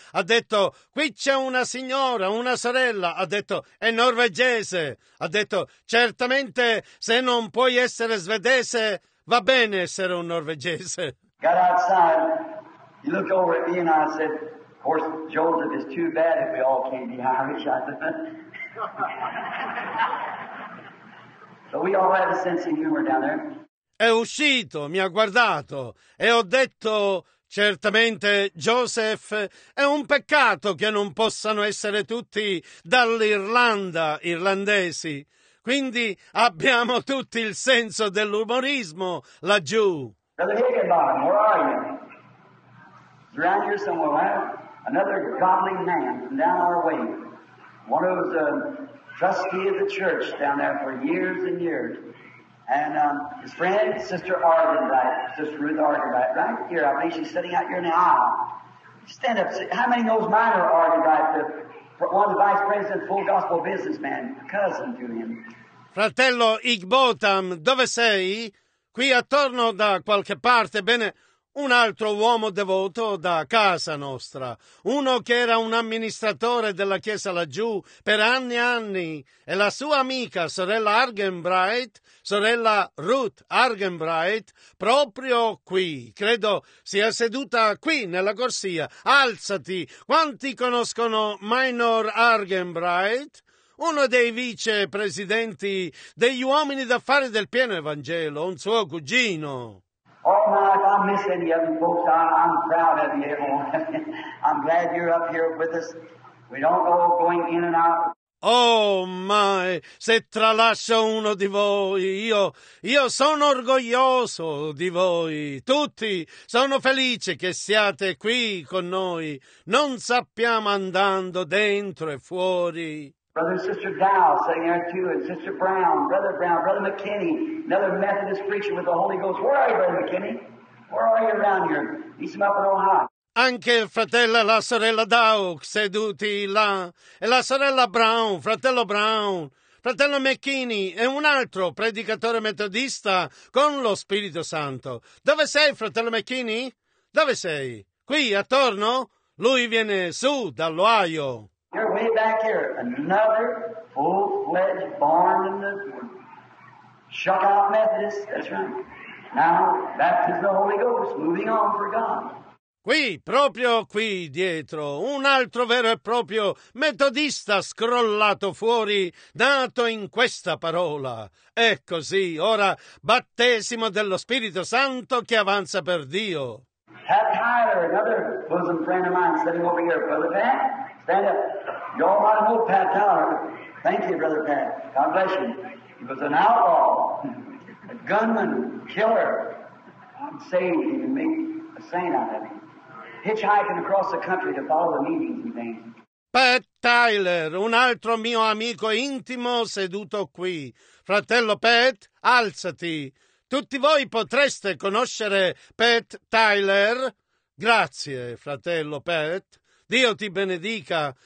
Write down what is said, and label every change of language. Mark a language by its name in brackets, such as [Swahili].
[Italian] Ha detto, qui c'è una signora, una sorella, ha detto, è norvegese. Ha detto, certamente se non puoi essere svedese, va bene essere un norvegese. [English] Got outside, he looked over at me and I said, Of course, Joseph is too bad if we all can't be Irish, I said. So we all have a sense of humor down there. [Italian] È uscito, mi ha guardato e ho detto: certamente, Joseph, è un peccato che non possano essere tutti dall'Irlanda, irlandesi. Quindi abbiamo tutti il senso dell'umorismo laggiù. [English] Brother Higginbottom, where are you? Around here somewhere, right? Another godly man from down our way. One of the trustees of the church down there for years and years. And his friend, Sister Arden, right? Sister Ruth Arden, right? Right here, I believe she's sitting out here in the aisle. Stand up. See, how many knows Minor Arden, right? One vice president, full gospel businessman, cousin to him. [Italian] Fratello Higbottom, dove sei? Qui attorno da qualche parte, bene, un altro uomo devoto da casa nostra. Uno che era un amministratore della chiesa laggiù per anni e anni. E la sua amica, sorella Argenbright, sorella Ruth Argenbright, proprio qui. Credo sia seduta qui, nella corsia. Alzati! Quanti conoscono Minor Argenbright? Uno dei vicepresidenti degli uomini d'affari del pieno Evangelo, un suo cugino. [English] Oh my, if I miss any of you folks, I'm proud of you, everyone. I'm glad you're up here with us. We don't go going in and out. [Italian] Oh my, se tralascio uno di voi, io sono orgoglioso di voi. Tutti sono felice che siate qui con noi. Non sappiamo andando dentro e fuori. [English] Brother and Sister Dow sitting there too, and Sister Brown, Brother McKinney, another Methodist preacher with the Holy Ghost. Where are you, Brother McKinney? Where are you around here? He's up in Ohio. [Italian] Anche il fratello e la sorella Dow seduti là, e la sorella Brown, fratello Brown, fratello McKinney e un altro predicatore metodista con lo Spirito Santo. Dove sei, fratello McKinney? Dove sei? Qui, attorno? Lui viene su dall'Ohio. [English] You're way back here. Another full-fledged barn in the shut-out Methodist. That's right. Now, baptism of the Holy Ghost, moving on for God. [Italian] Qui, proprio qui dietro, un altro vero e proprio metodista scrollato fuori, nato in questa parola. È così, ora, battesimo dello Spirito Santo che avanza per Dio. [English] Pat Tyler, another bosom friend of mine, sitting over here. Brother Pat, stand up. You all might know Pat Tyler. Thank you, Brother Pat. God bless you. He was an outlaw, a gunman, killer. I'm saved. He can make a saint out of him. Hitchhiking across the country to follow the meetings and things. [Italian] Pat Tyler, un altro mio amico intimo seduto qui. Fratello Pat, alzati. Tutti voi potreste conoscere Pat Tyler. Grazie, fratello Pat. Dio ti benedica.